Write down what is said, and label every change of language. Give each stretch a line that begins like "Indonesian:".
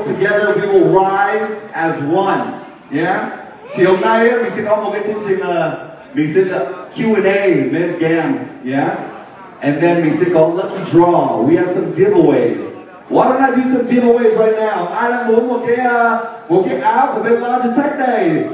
English: Together, we will rise as one. Yeah.
Vietnamese: Thì hôm nay mình sẽ có một cái chương trình là mình sẽ Q&A bên GAM. Yeah.
English: And then
Vietnamese: mình sẽ có lucky draw.
English: We have some giveaways. Why don't I do some giveaways right now?
Vietnamese: Ai đang muốn một cái áo của bên Logitech này?